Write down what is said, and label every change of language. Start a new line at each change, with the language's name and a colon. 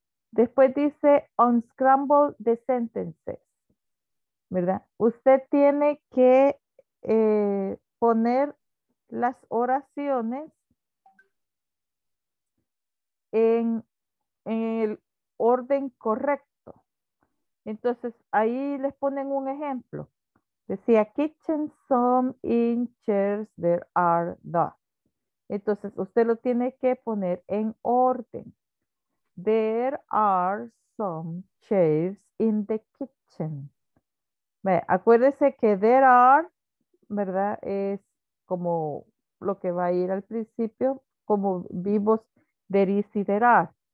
Spanish: Después dice
English: unscramble the sentences,
Spanish: ¿verdad? Usted tiene que poner las oraciones en el orden correcto. Entonces, ahí les ponen un ejemplo. Decía,
English: kitchen, some in chairs, there are the.
Spanish: Entonces, usted lo tiene que poner en orden.
English: There are some chairs in the kitchen.
Spanish: Acuérdese que
English: there are,
Spanish: ¿verdad? Es como lo que va a ir al principio, como vimos,
English: there is
Spanish: y there are.